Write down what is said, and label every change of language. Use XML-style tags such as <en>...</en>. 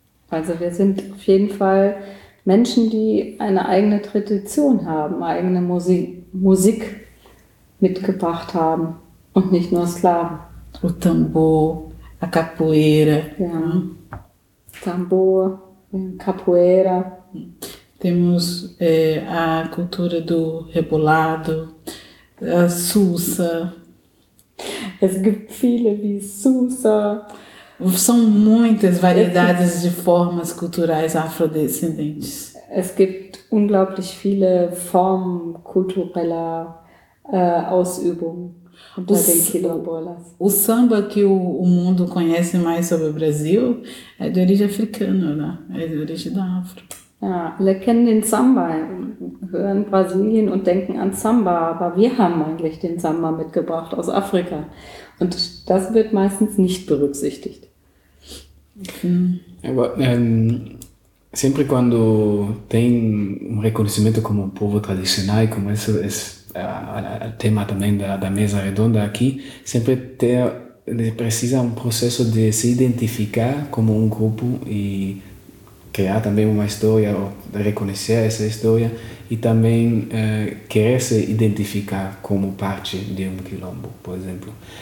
<de>Also wir sind auf jeden Fall Menschen, die eine eigene Tradition haben, eigene Musik mitgebracht haben und nicht nur Sklaven.</de> <pt>O tambor, a capoeira.</pt> <de>Ja. Tambor, capoeira.</de> <pt>Temos a cultura do rebolado, a sussa.</pt> <de>Es gibt viele wie sussa.</de> <pt>São muitas variedades de formas culturais afrodescendentes.</pt> <de>Es gibt unglaublich viele Formen kultureller Ausübung unter den Quilombolas.</de> <pt>O samba que o mundo conhece mais sobre o Brasil é de origem africana, né? É de origem da Afro.</pt> <de>Ja, alle kennen den Samba, hören Brasilien und denken an Samba, aber wir haben eigentlich den Samba mitgebracht aus Afrika. Und das wird meistens nicht berücksichtigt. Aber,</de> <pt>sempre quando tem reconhecimento como povo tradicional, como esse é o tema também da mesa redonda aqui, sempre precisa processo de se identificar como grupo e criar também uma história, ou reconhecer essa história, e também querer se identificar como parte de quilombo, por exemplo.</pt>